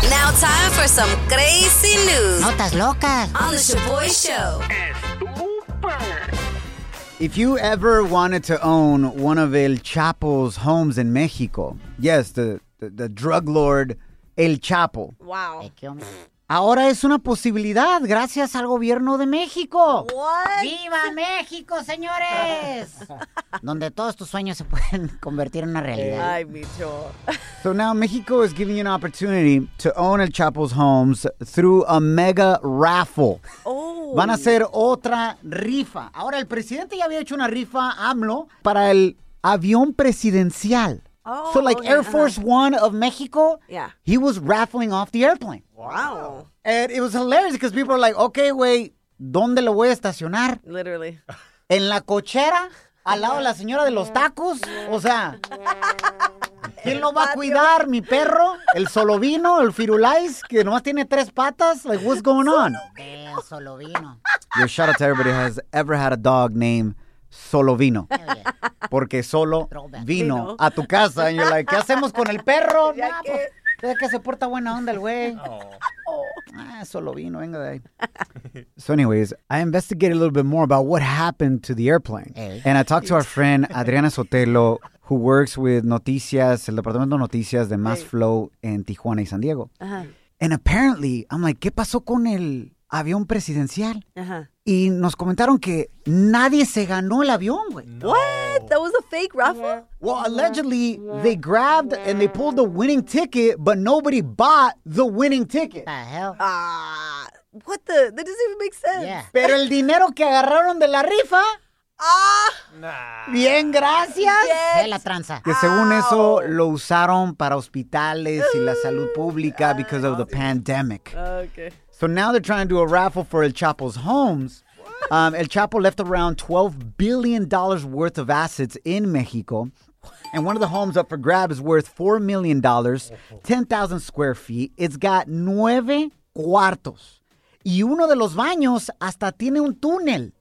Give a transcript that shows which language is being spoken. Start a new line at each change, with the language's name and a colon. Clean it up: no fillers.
English: Now time for some crazy news.
Spanish: Notas locas.
English: On the Shaboy Show. If you ever wanted to own one of El Chapo's homes in Mexico, yes, the drug lord... El Chapo. Wow.
Spanish: Ahora es una posibilidad gracias al gobierno de México.
English: What?
Spanish: ¡Viva México, señores! Donde todos tus sueños se pueden convertir en una realidad. Ay, Micho.
English: So now Mexico is giving you an opportunity to own El Chapo's homes through a mega raffle. Oh.
Spanish: Van a hacer otra rifa. Ahora, el presidente ya había hecho una rifa, AMLO, para el avión presidencial.
English: Oh, so, like, okay, Air Force One of Mexico, yeah, he was raffling off the airplane. Wow. And it was hilarious because people were like, okay, wait,
Spanish: ¿dónde lo voy a estacionar?
English: Literally.
Spanish: ¿En la cochera? ¿Al lado de la señora de los tacos? O sea, ¿quién lo va a cuidar? ¿Mi perro? ¿El solovino? ¿El firulais? ¿Que nomás tiene tres patas?
English: Like, what's going on?
Spanish: El solovino.
English: Your shout out to everybody who has ever had a dog named Solo Vino. Hell yeah.
Spanish: Porque solo vino a tu casa.
English: And you're like,
Spanish: ¿qué hacemos con el perro? Nah, pues, es que se porta buena onda el güey.
English: Oh.
Spanish: Ah, Solo Vino, venga de ahí.
English: So anyways, I investigated a little bit more about what happened to the airplane. Hey. And I talked to our friend Adriana Sotelo, who works with Noticias,
Spanish: el departamento de Noticias de Mass Flow en Tijuana y San Diego.
English: Uh-huh. And apparently, I'm like,
Spanish: ¿qué pasó con el avión presidencial? Ajá. Y nos comentaron que nadie se ganó el avión, güey.
English: No. What? That was a fake raffle? Yeah. Well, allegedly, yeah. They grabbed and they pulled the winning ticket, but nobody bought the winning ticket. What the hell? What the? That doesn't even make sense. Yeah.
Spanish: Pero el dinero que agarraron de la rifa...
English: Nah.
Spanish: Bien, gracias. De la tranza. Que según eso lo usaron para hospitales y la salud pública
English: because of the pandemic. Okay. So now they're trying to do a raffle for El Chapo's homes. El Chapo left around $12 billion worth of assets in Mexico. And one of the homes up for grab is worth $4 million, 10,000 square feet. It's got 9 cuartos.
Spanish: Y uno de los baños hasta tiene un túnel.